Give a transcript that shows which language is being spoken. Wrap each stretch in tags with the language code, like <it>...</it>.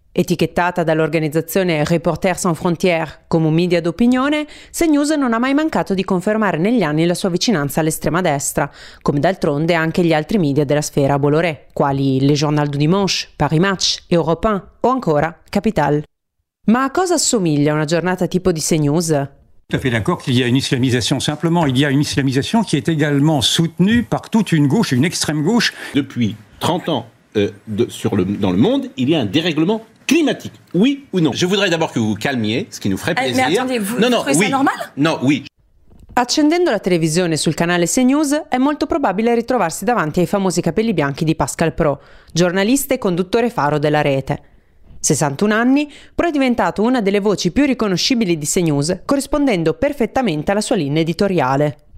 <it>Etichettata dall'organizzazione Reporters sans frontières come un media d'opinione, CNews non ha mai mancato di confermare negli anni la sua vicinanza all'estrema destra, come d'altronde anche gli altri media della sfera Bolloré, quali Le Journal du Dimanche, Paris Match, Europe 1 o ancora Capital. Ma a cosa assomiglia una giornata tipo di CNews?</it> <fr>Tout à fait d'accord qu'il y a une islamisation. Simplement, il y a une islamisation qui est également soutenue par toute une gauche, une extrême gauche. Depuis 30 ans. Dans le monde, il y a un dérèglement climatique. Oui ou non? Je voudrais d'abord que vous calmiez, ce qui nous ferait plaisir. Mais attendez, vous trouvez oui. Ça normal? Non, oui.</fr> <it>Accendendo la televisione sul canale CNews, è molto probabile ritrovarsi davanti ai famosi capelli bianchi di Pascal Pro, giornalista e conduttore faro della rete. 61 anni, Pro è diventato una delle voci più riconoscibili di CNews, corrispondendo perfettamente alla sua linea editoriale.</it>